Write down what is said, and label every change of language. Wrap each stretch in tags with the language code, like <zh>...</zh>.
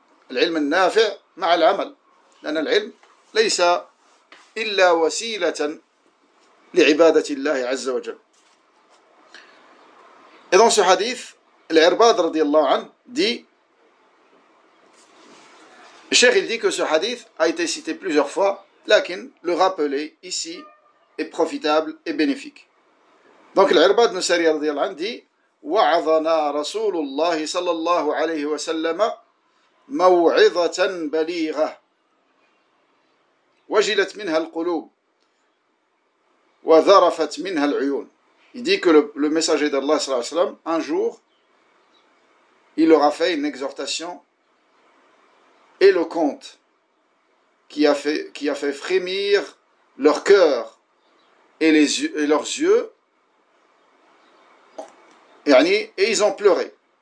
<ar>العلم النافع مع العمل لأن العلم ليس إلا وسيلة لعبادة الله عز وجل.</ar> <fr>Et dans ce hadith, l'Irbad</fr> <ar>رضي الله عنه</ar> <fr>dit, le cheikh il dit que ce hadith a été cité plusieurs fois, lakin le rappeler ici est profitable et bénéfique. Donc l'Irbad ibn Sariya</fr> <ar>رضي الله عنه</ar> <fr>dit,</fr> <ar>وعظنا رسول الله صلى الله عليه وسلم موعظة بليغة وجلت منها القلوب وذرفت منها العيون.</ar> <fr>Il dit que le messager d'Allah</fr> <ar>sallallahu alayhi wa sallam,</ar> <fr>un jour, il aura fait une exhortation éloquente qui a fait frémir leur cœur et leurs yeux, et ils ont pleuré.</fr>